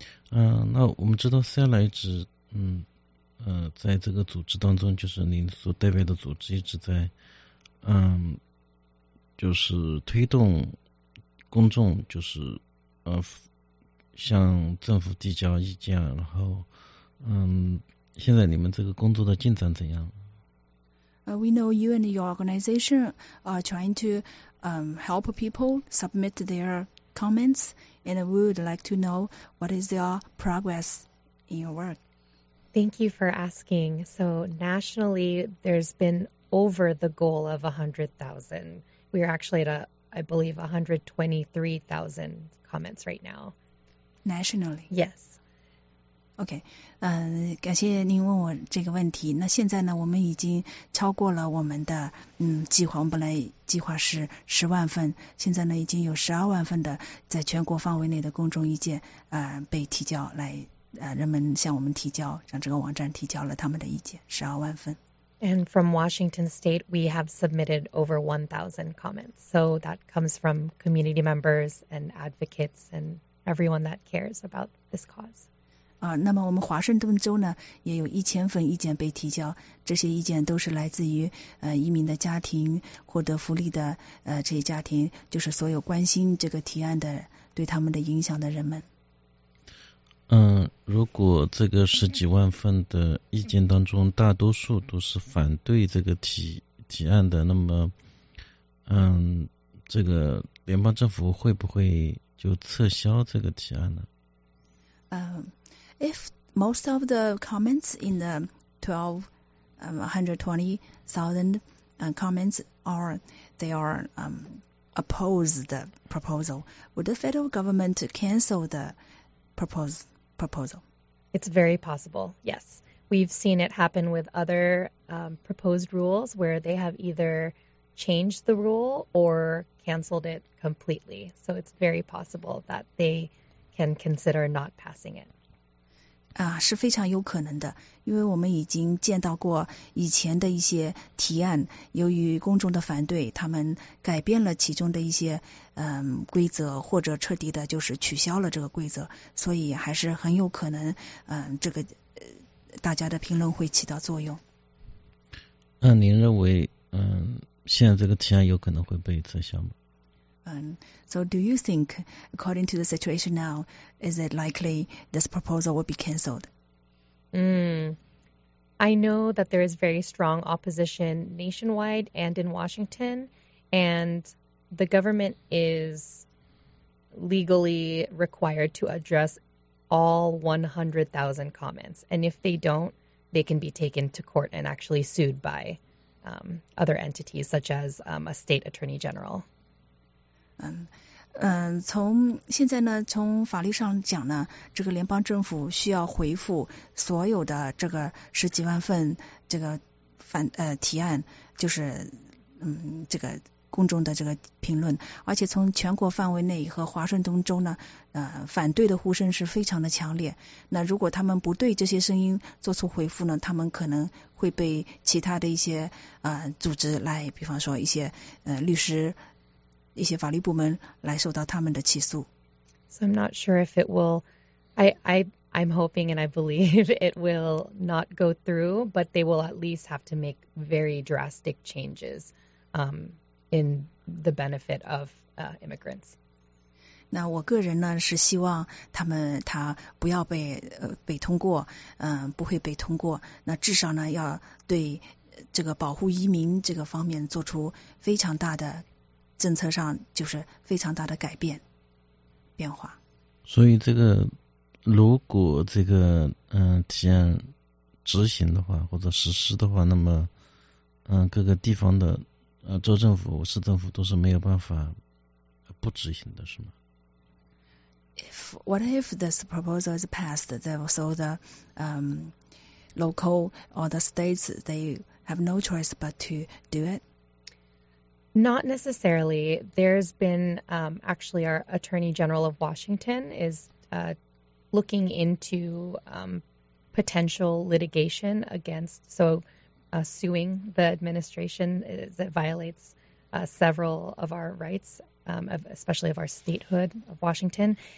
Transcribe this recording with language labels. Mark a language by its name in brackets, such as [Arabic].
[Chinese] 那我们知道 Seattle 在这个组织当中，就是您所代表的组织一直在就是推动公众，就是向政府递交意见，然后现在你们这个工作的进展怎样？ [English] We know you and your organization are trying to help people submit their comments, and we would like to know what is your progress in your work. Thank you for asking. So nationally, there's been over the goal of 100,000. We are actually at, I believe, 123,000 comments right now. Nationally? Yes. [Chinese] Okay. 感谢您问我这个问题。那现在呢，我们已经超过了我们的计划。我们本来计划是10万份，现在呢已经有12万份的在全国范围内的公众意见被提交来。人们向我们提交，让这个网站提交了他们的意见，12万份。 [English] And from Washington State, we have submitted over 1,000 comments. So that comes from community members and advocates and everyone that cares about this cause. [Chinese] 那么我们华盛顿州呢，也有1000份意见被提交，这些意见都是来自于移民的家庭，获得福利的这些家庭，就是所有关心这个提案的，对他们的影响的人们。如果这个十几万份的意见当中大多数都是反对这个提案的，那么这个联邦政府会不会就撤销这个提案呢？ [English] If most of the comments in the 120,000 comments are they are opposed the proposal, would the federal government cancel the proposal? It's very possible, yes. We've seen it happen with other proposed rules where they have either changed the rule or canceled it completely. So it's very possible that they can consider not passing it. [Chinese] 是非常有可能的，因为我们已经见到过以前的一些提案，由于公众的反对，他们改变了其中的一些规则，或者彻底的就是取消了这个规则，所以还是很有可能，这个大家的评论会起到作用。那您认为，现在这个提案有可能会被撤销吗？ [English] So do you think, according to the situation now, is it likely this proposal will be canceled? I know that there is very strong opposition nationwide and in Washington, and the government is legally required to address all 100,000 comments. And if they don't, they can be taken to court and actually sued by other entities, such as a state attorney general. [Chinese] 从现在呢，从法律上讲呢，这个联邦政府需要回复所有的这个十几万份这个提案，就是这个公众的这个评论，而且从全国范围内和华盛顿州呢，反对的呼声是非常的强烈。那如果他们不对这些声音做出回复呢，他们可能会被其他的一些组织来，比方说一些律师。一些法律部门来受到他们的起诉。 [English] So I'm not sure if it will, I'm hoping and I believe it will not go through, but they will at least have to make very drastic changes in the benefit of immigrants. [Chinese] 那我个人呢是希望他不要被通过，不会被通过。那至少呢要对这个保护移民这个方面做出非常大的政策上就是非常大的改变变化。所以这个如果这个提案执行的话或者实施的话，那么各个地方的州政府市政府都是没有办法不执行的，是吗？ [English] What if this proposal is passed, so the local or the states, they have no choice but to do it? Not necessarily. There's been, actually, our Attorney General of Washington is looking into potential litigation against, suing the administration that violates several of our rights, especially of our statehood of Washington.